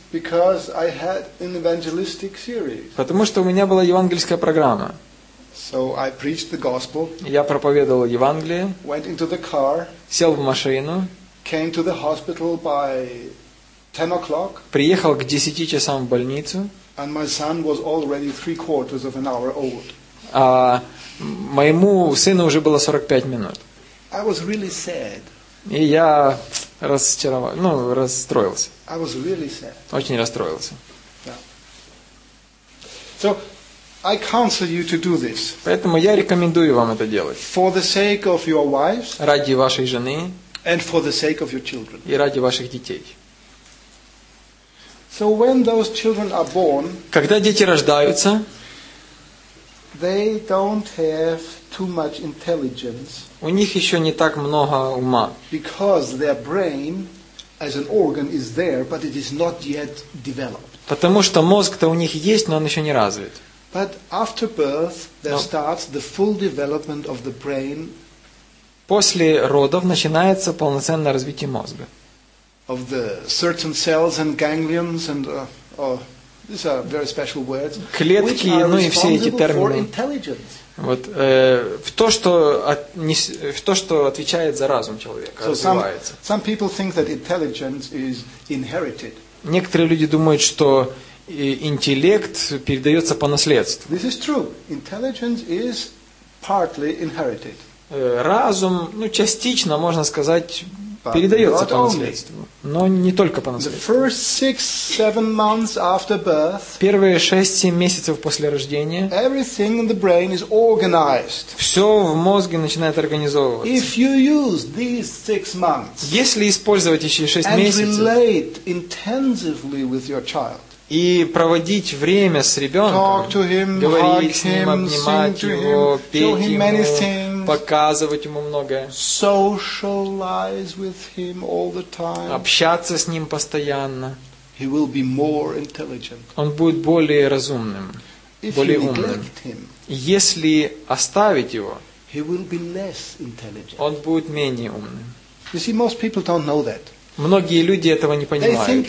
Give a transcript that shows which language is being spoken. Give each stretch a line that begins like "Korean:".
English: Because I had an evangelistic series.
Russian: Потому что у меня была евангельская программа.
English: So I preached the gospel.
Russian: Я проповедовал Евангелие.
English: Went into the car.
Russian: Сел в машину.
English: Came to the hospital by 10 o'clock.
Russian: Приехал к 10 часам в больницу.
English: And my son was already 3/4 of an hour old.
Russian: А моему сыну уже было 45 минут.
English: I was really sad.
Russian: И я разочаровался, ну, расстроился.
English: I was really sad.
Russian: Очень расстроился.
English: Yeah. So I counsel you to do this.
Russian: Поэтому я рекомендую вам это делать.
English: For the sake of your wives.
Russian: Ради вашей жены.
English: And for the sake of your children.
Russian: И ради ваших детей.
English: So when those children are born.
Russian: Когда дети рождаются.
English: They don't have too much intelligence.
Russian: У них еще не так много ума.
English: Because their brain as an organ is there, but it is not yet developed.
Russian: Потому что мозг-то у них есть, но он еще не развит.
English: But after birth, there starts the full development of the brain.
Russian: После родов начинается полноценное развитие мозга.
English: Of the certain cells and ganglions and these are very special words.
Russian: Клетки, ну и все эти термины. Вот в то, что отвечает за разум человека, развивается.
English: Some people think that intelligence is inherited.
Russian: Некоторые люди думают, что и интеллект передается по наследству.
English: This is true. Intelligence is partly inherited.
Russian: Разум, ну, частично, можно сказать, but передается по наследству.
English: Only.
Russian: Но не только по наследству.
English: The first 6-7 months after birth,
Russian: первые 6-7 месяцев после рождения,
English: everything in the brain is organized.
Russian: Все в мозге начинает организовываться.
English: If you use these 6 months,
Russian: если использовать еще 6
English: and
Russian: месяцев,
English: relate intensively with your child,
Russian: и проводить время с ребенком,
English: him,
Russian: говорить с ним, обнимать
English: him,
Russian: его, петь ему,
English: things,
Russian: показывать ему многое,
English: socialize with him all the time,
Russian: общаться с ним постоянно,
English: he will be more intelligent.
Russian: Он будет более разумным,
English: if
Russian: более умным.
English: Him,
Russian: если оставить его,
English: he will be less intelligent.
Russian: Он будет менее умным.
English: You see, most people don't know that.
Russian: Многие люди этого не понимают.